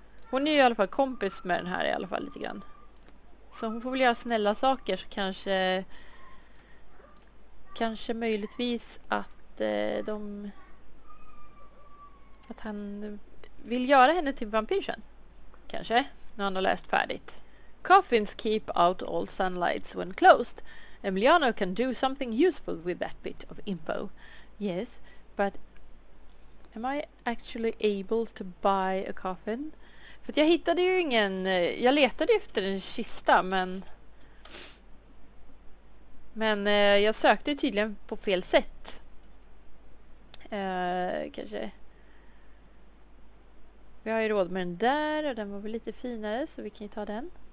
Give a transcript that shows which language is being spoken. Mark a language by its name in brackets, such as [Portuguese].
[Swedish] Hon är ju i alla fall kompis med den här i alla fall lite grann. Så hon får väl göra snälla saker så kanske... Kanske möjligtvis att de... Att han... Vill göra henne till vampyren? Kanske, när han har läst färdigt. [English] Coffins keep out all sunlights when closed. Emiliano can do something useful with that bit of info. Yes, but am I actually able to buy a coffin? [Swedish] För att jag hittade ju ingen... Jag letade efter en kista, men... Men jag sökte tydligen på fel sätt. Kanske... Vi har ju råd med den där och den var väl lite finare så vi kan ju ta den.